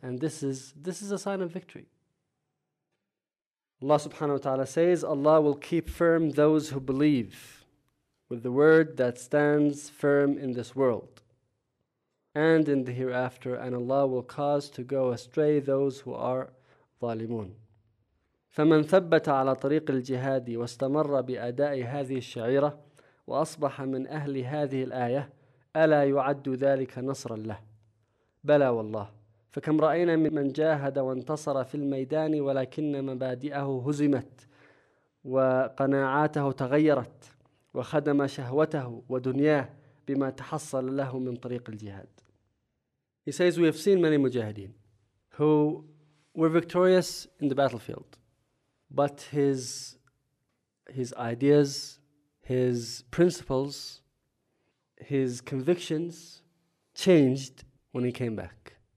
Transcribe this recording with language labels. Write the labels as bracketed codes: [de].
[en] And this is a sign of victory. Allah subhanahu wa ta'ala says, Allah will keep firm those who believe with the word that stands firm in this world and in the hereafter, and Allah will cause to go astray those who are ظالمون. [ar] فَمَنْ ثَبَّتَ عَلَى طَرِيقِ الْجِهَادِ وَاسْتَمَرَّ بِأَدَاءِ هَذِهِ الشَّعِيرَةِ وأصبح من أهل هذه الآية ألا يعد ذلك نصرا له؟ بلى والله، فكم رأينا من جاهد وانتصر في الميدان ولكن مبادئه هزمت وقناعاته تغيرت وخدم شهوته ودنياه بما تحصل له من طريق الجهاد. [en] He says, we have seen many mujahideen who were victorious in the battlefield, but his ideas, his principles, his convictions changed when he came back.